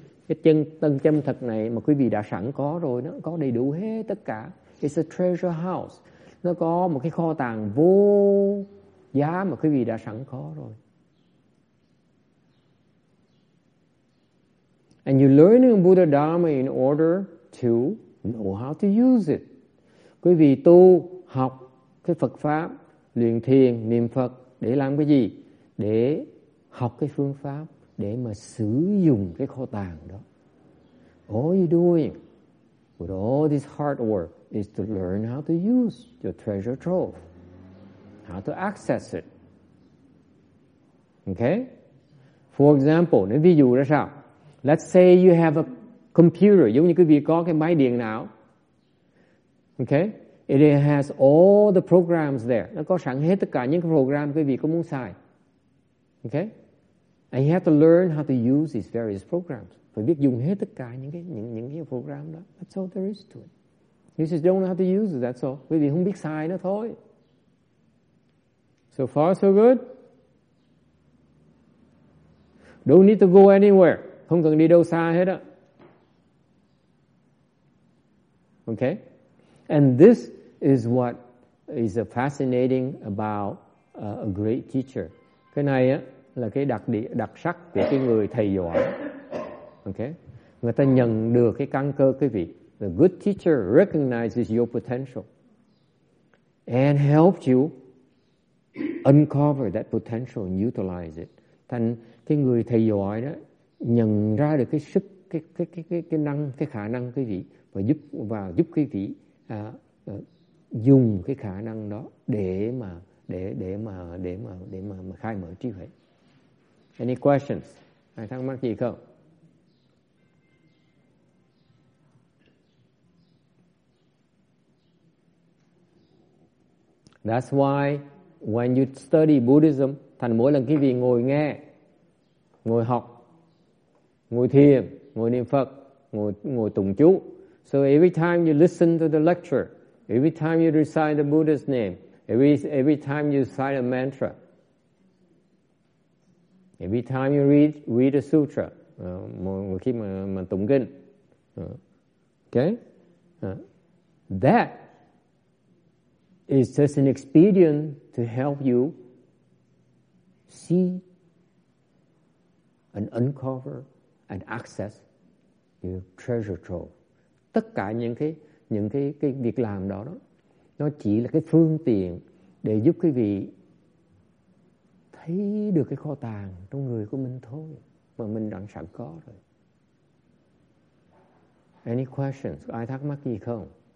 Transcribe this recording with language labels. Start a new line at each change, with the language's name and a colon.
Vietnamese: Cái chân tâm chân thật này mà quý vị đã sẵn có rồi, nó có đầy đủ hết tất cả.
English: It's a treasure house.
Vietnamese: Nó có một cái kho tàng vô giá mà quý vị đã sẵn có rồi.
English: And you learn in Buddha Dharma in order to know how to use it.
Vietnamese: Quý vị tu học cái Phật Pháp, luyện thiền, niệm Phật để làm cái gì? Để học cái phương pháp, để mà sử dụng cái kho tàng đó.
English: All you're doing with all this hard work is to learn how to use your treasure trove, how to access it. Okay? For example,
Vietnamese: nếu ví dụ ra sao?
English: Let's say you have a computer,
Vietnamese: giống như quý vị có cái máy điện não.
English: Okay? It has all the programs there.
Vietnamese: Nó có sẵn hết tất cả những program quý vị có muốn xài.
English: Okay? And you have to learn how to use these various programs.
Vietnamese: Phải biết dùng hết tất cả những cái program đó.
English: That's all there is to it. You just don't know how to use it, that's all. Quý vị không biết xài nó thôi. So far, so good. Don't need to go anywhere.
Vietnamese: Không cần đi đâu xa hết á.
English: Okay? And this is what is fascinating about a great teacher.
Vietnamese: Cái này á, là cái đặc sắc của cái người thầy giỏi. Okay? Người ta nhận được cái căn cơ quý vị.
English: The good teacher recognizes your potential and helps you uncover that potential and utilize it.
Vietnamese: Thành cái người thầy giỏi đó nhận ra được cái sức, cái khả năng quý vị và giúp quý vị dùng cái khả năng đó để mà khai mở trí huệ.
English: Any questions?
Vietnamese: Ai thắc mắc gì không?
English: That's why when you study Buddhism,
Vietnamese: thành mỗi lần quý vị ngồi nghe, ngồi học, ngồi thiền, ngồi niệm Phật, ngồi tụng chú.
English: So every time you listen to the lecture, every time you recite the Buddha's name, every time you recite a mantra, every time you read a sutra,
Vietnamese: mỗi khi mà tụng kinh,
English: okay, that is just an expedient to help you see and uncover and access your treasure trove.
Vietnamese: Tất cả những cái việc làm đó nó chỉ là cái phương tiện để giúp quý vị thấy được cái kho tàng trong người của mình thôi, mà mình đã sẵn có rồi.
English: Any questions?
Vietnamese: Ai thắc mắc gì không?